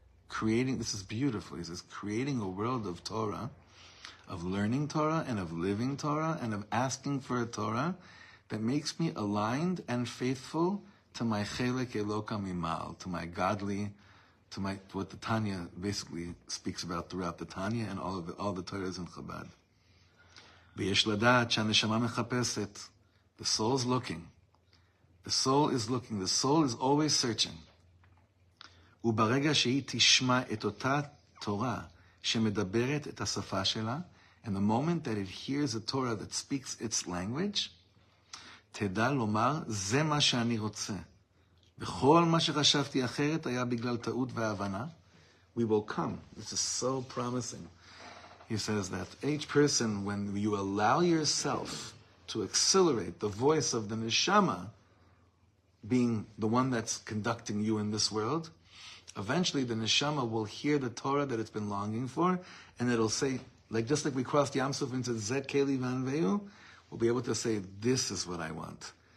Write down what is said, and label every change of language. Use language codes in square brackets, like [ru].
[en] Creating, this is beautiful, he says, creating a world of Torah, of learning Torah and of living Torah and of asking for a Torah that makes me aligned and faithful to my chelek eloka mimal, to my godly, to what the Tanya basically speaks about throughout the Tanya and all the Torahs in Chabad. [he] ויש לדעת שהנשמה מחפשת. [en] The soul is looking. The soul is looking. The soul is always searching. [he] וברגע שהיא תשמע את אותה תורה שמדברת את השפה שלה, [en] and the moment that it hears a Torah that speaks its language, [he] תדע לומר, זה מה שאני רוצה. וכל מה שחשבתי אחרת היה בגלל טעות והבנה. [en] We will come. This is so promising. He says that each person, when you allow yourself to accelerate the voice of the neshama, being the one that's conducting you in this world, eventually the neshama will hear the Torah that it's been longing for, and it'll say, like just like we crossed Yam Suf into Zet Keli Vanveyu, we'll be able to say, this is what I want.